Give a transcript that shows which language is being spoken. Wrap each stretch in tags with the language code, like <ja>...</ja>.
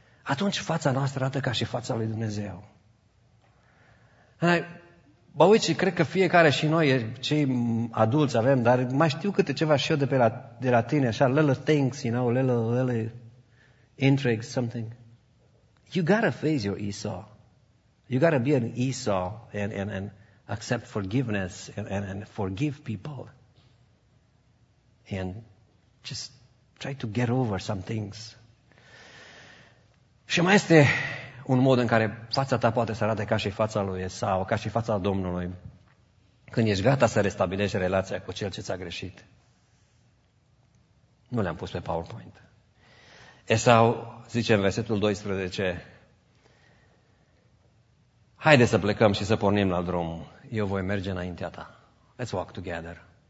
<ro>atunci fața noastră arată ca și fața lui Dumnezeu. Bă, uite, cred că fiecare și noi, cei adulți avem, dar mai știu câte ceva și eu de la tine, așa,</ro> <en>little things, you know, little intrigues, something. You gotta face your Esau. You gotta be an Esau and accept forgiveness and forgive people. And just try to get over some things.</en> <ro>Și mai este un mod în care fața ta poate să arate ca și fața lui Esau, ca și fața Domnului, când ești gata să restabilești relația cu cel ce ți-a greșit. Nu le-am pus pe PowerPoint. Esau zice în versetul 12, haide să plecăm și să pornim la drum, eu voi merge înaintea ta.</ro> <en>Let's walk together.</en>